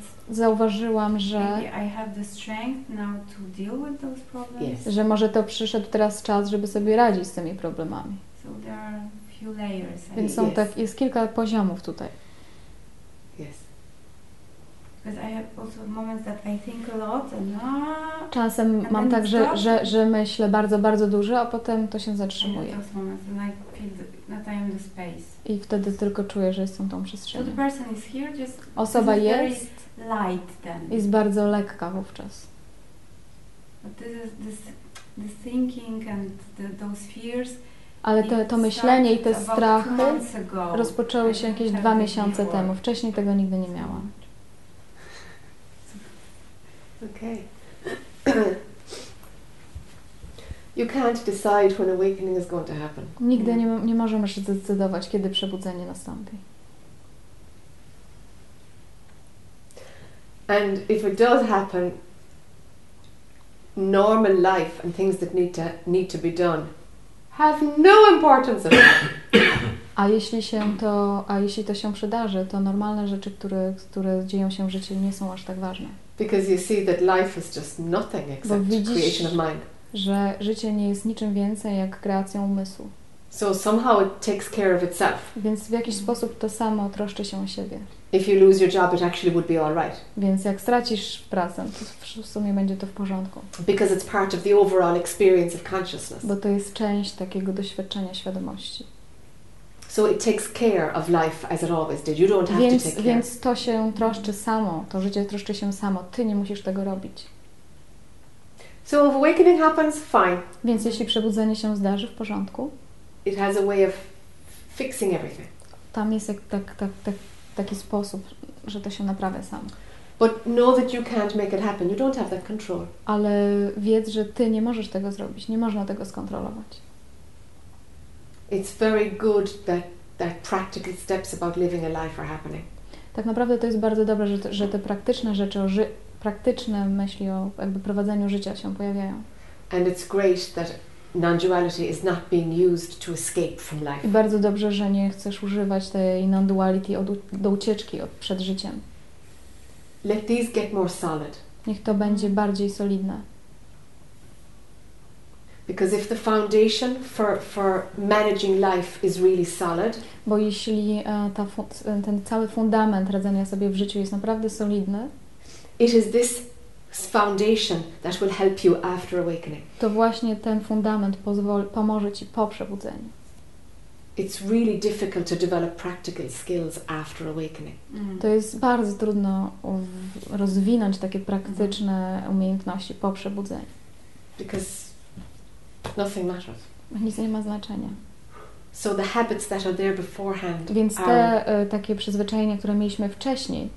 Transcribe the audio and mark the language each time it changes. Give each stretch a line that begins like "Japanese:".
Polish: Zauważyłam, że może to przyszedł teraz czas, żeby sobie radzić z tymi problemami.
English: few layers.
Polish: Więc są tak, jest kilka poziomów tutaj.
English: Yes. Because I have also moments that I think a lot and
Polish: czasem
English: and
Polish: mam tak, że myślę bardzo, bardzo dużo, a potem to się zatrzymuje.
English: And those moments and I feel that I am the space.
Polish: I wtedy tylko czuję, że jestem tą przestrzenią.
English: So the person is here, just
Polish: osoba jest,
English: light then.
Polish: Jest bardzo lekka wówczas.
English: But this is this thinking and those fears.
Polish: Ale to myślenie i te strachy rozpoczęły się jakieś dwa miesiące temu. Wcześniej tego nigdy nie miałam.
English: Okay. You can't decide when awakening is going to happen.
Polish: Nigdy nie możemy się zdecydować, kiedy przebudzenie nastąpi.
English: And if it does happen, normal life and things that need to be done have no importance at all.
Polish: A jeśli to się przydarzy, to normalne rzeczy, które dzieją się w życiu, nie są aż tak ważne.
English: Because you see that life is just nothing except creation of mind.
Polish: Że życie nie jest niczym więcej jak kreacją umysłu.
English: So somehow it takes care of itself.
Polish: Więc w jakiś sposób to samo troszczy się o siebie.
English: If you lose your job, it actually would be all right.
Polish: Więc jak stracisz pracę, to w sumie będzie to w porządku.
English: Because it's part of the overall experience of consciousness.
Polish: Bo to jest część takiego doświadczenia świadomości.
English: So it takes care of life as it always did. You don't have to take care.
Polish: Więc to się troszczy samo. To życie troszczy się samo. Ty nie musisz tego robić.
English: So if awakening happens, fine.
Polish: Więc jeśli przebudzenie się zdarzy, w porządku.
English: It has a way of fixing everything.
Polish: Tam jest taki sposób, że to się naprawia sam.
English: But know that you can't make it happen. You don't have that control.
Polish: Ale wiedz, że ty nie możesz tego zrobić. Nie można tego skontrolować.
English: It's very good that practical steps about living a life are happening.
Polish: Tak naprawdę to jest bardzo dobre, że te praktyczne rzeczy o praktyczne myśli o jakby prowadzeniu życia się pojawiają.
English: And it's great that non-duality is not being used to escape from life.
Polish: I bardzo dobrze, że nie chcesz używać tej non-duality do ucieczki przed życiem.
English: Let these get more solid.
Polish: Niech to będzie bardziej solidne.
English: Because if the foundation for managing life is really solid.
Polish: Bo jeśli ten cały fundament radzenia sobie w życiu jest naprawdę solidny.
English: It is this foundation that will help you after awakening.
Polish: To właśnie ten fundament pomoże ci po przebudzeniu.
English: It's really difficult to develop practical skills after awakening. Mm.
Polish: To jest bardzo trudno rozwinąć takie praktyczne umiejętności po przebudzeniu.
English: Because nothing matters.
Polish: Nic nie ma znaczenia.
English: So the habits that are there beforehand.
Polish: Więc te takie przyzwyczajenia, które mieliśmy wcześniej,